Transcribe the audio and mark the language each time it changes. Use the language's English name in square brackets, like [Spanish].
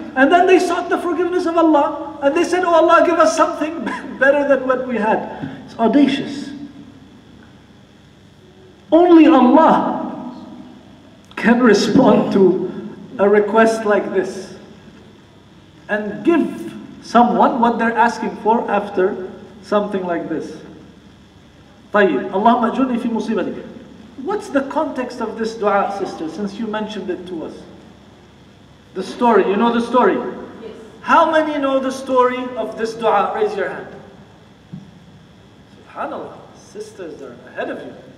[English] And then they sought the forgiveness of Allah and they said, oh Allah, give us something better than what we had. It's audacious. Only Allah can respond to a request like this and give someone what they're asking for after something like this. [Arabic] طيب اللهم اجرني في مصيبتي. [English] What's the context of this dua, sister, since you mentioned it to us? The story, you know the story? Yes. How many know the story of this dua? Raise your hand. SubhanAllah, sisters are ahead of you.